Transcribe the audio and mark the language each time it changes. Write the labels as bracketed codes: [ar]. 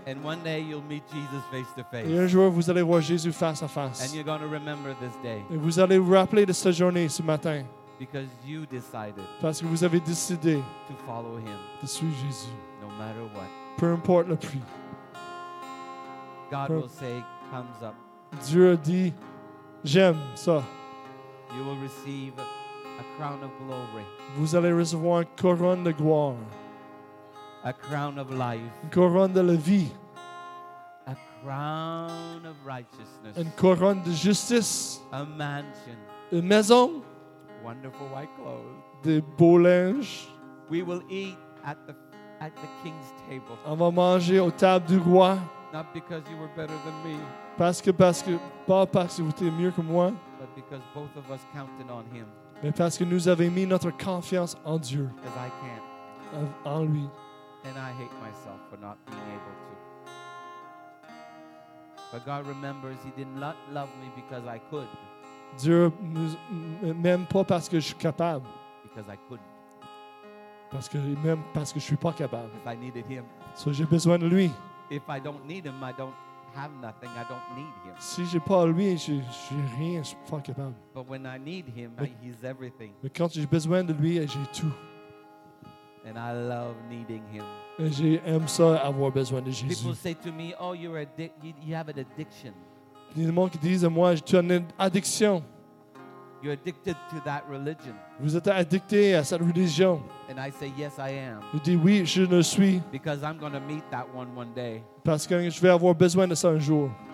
[en] And one day you'll meet Jesus face to face. [fr] Et un jour, vous allez voir Jésus face à face. [en] And you're going to remember this day. [fr] Et vous allez vous rappeler de cette journée ce matin. [en] Because you decided, [fr] parce que vous avez décidé, [en] to follow him, [fr] de suivre Jésus, [en] no matter what, [fr] peu importe le prix. [en] God will say, comes up. [fr] Dieu dit, j'aime ça. [en] You will receive A crown of glory. [fr] Vous allez recevoir une couronne de gloire. [en] A crown of life. [fr] Une couronne de la vie. [en] A crown of righteousness. [fr] Une couronne de justice. [en] A mansion. [fr] Une maison. [en] Wonderful white clothes. [fr] Des beaux linges. [en] We will eat at the king's table. [fr] On va manger aux tables du roi. [en] Not because you were better than me. [fr] Parce que pas parce que vous étiez mieux que moi. [en] But because both of us counted on him. [fr] Mais parce que nous avons mis notre confiance en Dieu. [en] As I can't. [fr] En lui. [en] And I hate myself for not being able to. But God remembers he did not love me because I could. [fr] Dieu m'aime pas parce que je suis capable. [en] Because I couldn't. [fr] Parce que même parce que je suis pas capable. [en] If I needed him. [fr] So j'ai besoin de lui. [en] If I don't need him, I don't have nothing. I don't need him. [fr] Si j'ai pas lui, j'ai rien, je suis pas capable. [en] But when I need him, he's everything. [fr] Mais quand j'ai besoin de lui, j'ai tout. [en] And I love needing him. [fr] Et j'aime ça avoir besoin de Jésus. [en] People say to me, "Oh, you're you have an addiction." [fr] Les gens qui disent à moi, tu as une addiction. [en] You're addicted to that religion. [fr] Vous êtes addicté à cette religion. [en] And I say, yes, I am. [fr] Je dis oui, je le suis. [en] Because I'm going to meet that one day. [fr] Parce que je vais avoir besoin de ça un jour.